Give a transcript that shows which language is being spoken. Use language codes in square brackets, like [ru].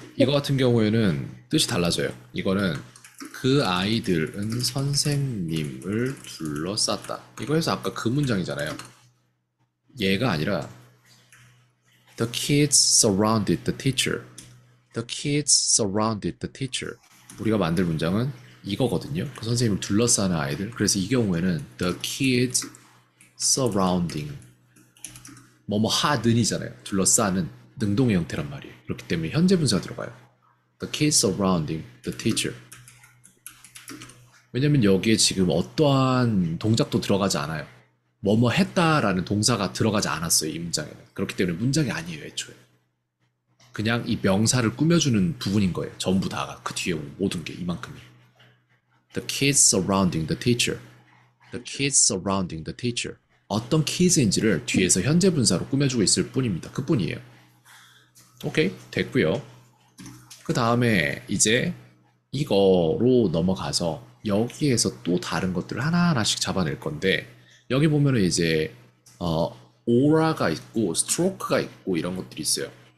[ko] 이거 같은 경우에는 뜻이 달라져요. 이거는 그 아이들은 선생님을 둘러쌌다. 이거 해서 아까 그 문장이잖아요. 얘가 아니라 [en] The kids surrounded the teacher. The kids surrounded the teacher. [ko] 우리가 만들 문장은 이거거든요. 그 선생님을 둘러싸는 아이들. 그래서 이 경우에는 [en] The kids surrounding [ko] 뭐뭐 하는이잖아요. 둘러싸는 능동의 형태란 말이에요. 그렇기 때문에 현재 분사 들어가요. [en] The kids surrounding the teacher. [ko] 왜냐면 여기에 지금 어떠한 동작도 들어가지 않아요. 뭐뭐 했다라는 동사가 들어가지 않았어요, 이 문장에는. 그렇기 때문에 문장이 아니에요, 애초에. 그냥 이 명사를 꾸며주는 부분인 거예요. 전부 다가 그 뒤에 모든 게 이만큼이에요. [en] The kids surrounding the teacher. The kids surrounding the teacher. [ko] 어떤 키즈인지를 뒤에서 현재 분사로 꾸며주고 있을 뿐입니다. 그뿐이에요. 오케이, 됐고요. 그 다음에 이제 이거로 넘어가서 여기에서 또 다른 것들을 하나하나씩 잡아낼 건데, 여기 보면은 이제 오라가 있고 스트로크가 있고 이런 것들이 있어요.